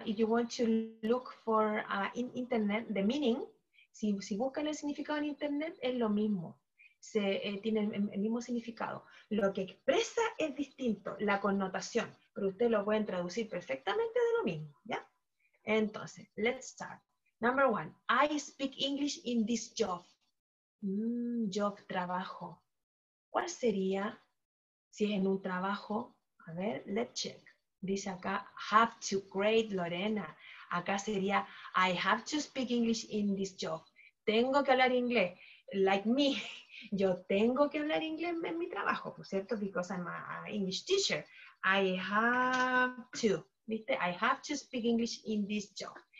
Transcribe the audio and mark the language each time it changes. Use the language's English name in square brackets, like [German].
[English] If you want to look for in internet, the meaning, [Spanish] si buscan el significado en internet, es lo mismo. Tiene el mismo significado. Lo que expresa es distinto, la connotación, pero ustedes lo pueden traducir perfectamente de lo mismo, ¿ya? [English] Entonces, let's start. Number one, I speak English in this job. [Spanish] Job, trabajo. ¿Cuál sería si es en un trabajo? A ver, [English] let's check. [Spanish] Dice acá, [English] have to, great, Lorena. [Spanish] Acá sería, [English] I have to speak English in this job. [Spanish] Tengo que hablar inglés, [English] like me. [Spanish] Yo tengo que hablar inglés en mi trabajo, ¿no es cierto? [English] Because I'm an English teacher. I have to, ¿viste? I have to speak English in this job.